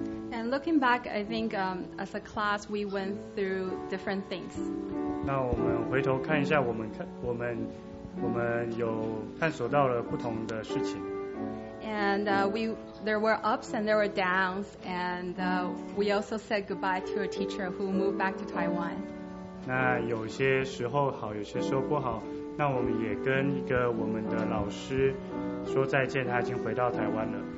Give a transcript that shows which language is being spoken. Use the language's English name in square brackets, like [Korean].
[English] And looking back, I think as a class we went through different things. [Chinese] 那我们回头看一下我们有探索到了不同的事情。 [English] And there were ups and there were downs, and we also said goodbye to a teacher who moved back to Taiwan. [Chinese] 那有些时候好，有些时候不好。那我们也跟一个我们的老师说再见，他已经回到台湾了。